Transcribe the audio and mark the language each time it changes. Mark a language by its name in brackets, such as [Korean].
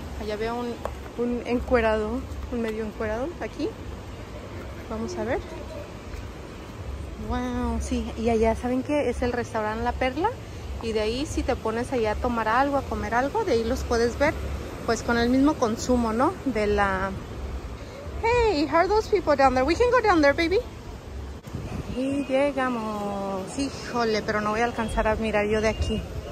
[Spanish] Allá veo un encuerado, un medio encuerado aquí. Vamos a ver. Wow, sí. Y allá, ¿saben qué? Es el restaurante La Perla. Y de ahí, si te pones allá a tomar algo, a comer algo, de ahí los puedes ver, pues, con el mismo consumo, ¿no? De la... [English] Hey, how are those people down there? We can go down there, baby. [Spanish] Y llegamos. Híjole, pero no voy a alcanzar a mirar yo de aquí.